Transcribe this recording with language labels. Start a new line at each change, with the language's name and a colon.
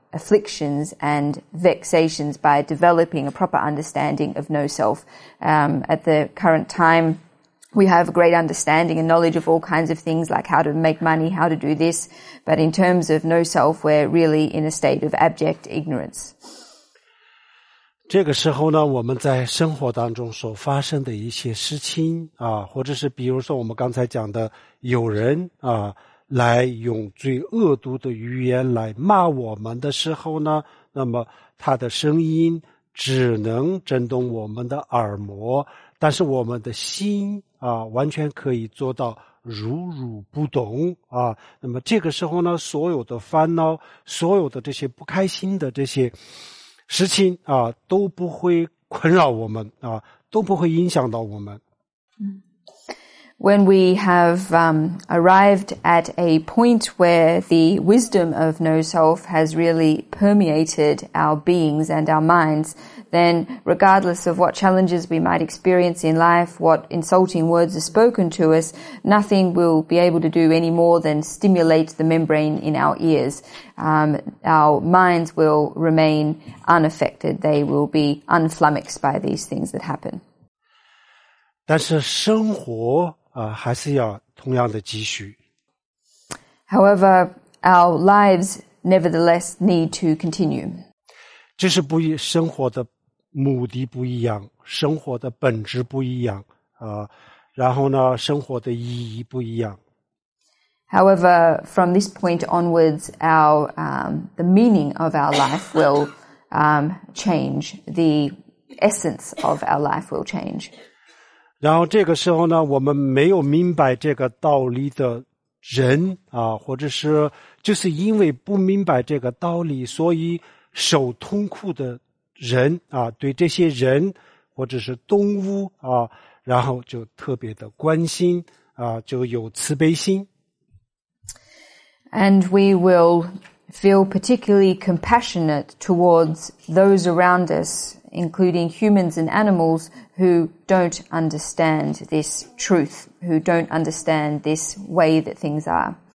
English: afflictions and vexations by developing a proper understanding of no self. At the current time, we have a great understanding and knowledge of all kinds of things like how to make money, how to do this. But in terms of no self, we're really in a state of abject ignorance.
Chinese: 这个时候呢，我们在生活当中所发生的一些事情啊，或者是比如说我们刚才讲的，有人啊来用最恶毒的语言来骂我们的时候呢，那么他的声音只能震动我们的耳膜，但是我们的心啊完全可以做到如如不动啊。那么这个时候呢，所有的烦恼，所有的这些不开心的这些事情啊，都不会困扰我们啊，都不会影响到我们。
English: When we have arrived at a point where the wisdom of no self has really permeated our beings and our minds, then regardless of what challenges we might experience in life, what insulting words are spoken to us, nothing will be able to do any more than stimulate the membrane in our ears. Our minds will remain unaffected. They will be unflummoxed by these things that happen.
Chinese: 但是生活还是要同样的继续。
English: However, our lives nevertheless need to continue.
Chinese: 这是不一生活的目的不一样，生活的本质不一样然后呢，生活的意义不一样。
English: However, from this point onwards, our the meaning of our life will change. The essence of our life will change.
Chinese: 然后这个时候呢，我们没有明白这个道理的人啊，或者是就是因为不明白这个道理，所以受痛苦的人啊，对这些人或者是动物啊，然后就特别的关心啊，就有慈悲心。
English: And we will feel particularly compassionate towards those around us. Including humans and animals who don't understand this truth, who don't understand this way that things are.